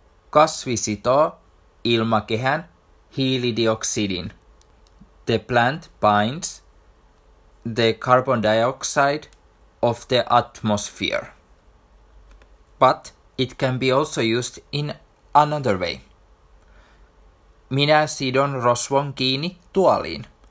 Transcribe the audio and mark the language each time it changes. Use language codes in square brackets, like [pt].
[fi] Kasvi sitoo ilmakehän hiilidioksidin. [en] The plant binds the carbon dioxide of the atmosphere. But it can be also used in another way. [fi] Minä sidon rosvon kiinni tuoliin.